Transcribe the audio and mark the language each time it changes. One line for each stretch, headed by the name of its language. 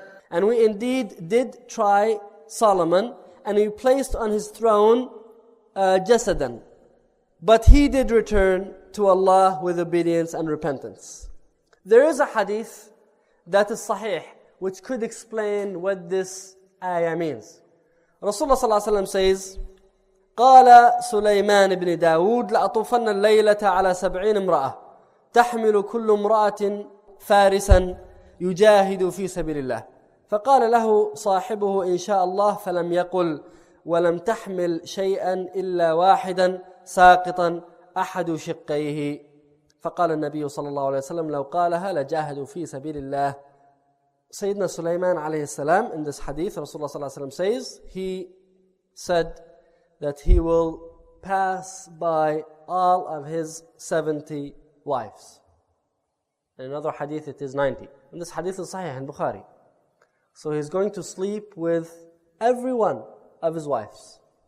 English: And we indeed did try Solomon, and he placed on his throne jasadan. But he did return to Allah with obedience and repentance. There is a hadith that is sahih, which could explain what this ayah means. Rasulullah sallallahu alayhi wa sallam says,
Arabic: قَالَ سُلَيْمَانِ بْنِ دَاوُودِ لَأَطُوفَنَّ اللَّيْلَةَ عَلَىٰ سَبْعِينَ امْرَأَةِ تَحْمِلُ كُلُّ امْرَأَةٍ فَارِسًا يُجَاهِدُ فِي سَبِيلِ اللَّهِ فَقَالَ لَهُ صَاحِبُهُ إِنْ شَاءَ اللَّهُ فَلَمْ يَقُلْ وَلَمْ تَحْمِلْ شَيْئًا إِلَّا وَاحِدًا سَاقِطًا أَحَدُ شِقَّيْهِ فَقَالَ النَّبِيُّ صَلَّى اللَّهُ عَلَيْهِ وَسَلَّمَ لَوْ قَالَهَا لَجَاهَدُوا فِي سَبِيلِ اللَّهِ.
English: Sayyidina Sulaiman alayhi salam, in this hadith, Rasulullah sallallahu alayhi wa sallam says, he said that he will pass by all of his 70 wives. In another hadith, it is 90. And this hadith is sahih in Bukhari. So he's going to sleep with every one of his wives.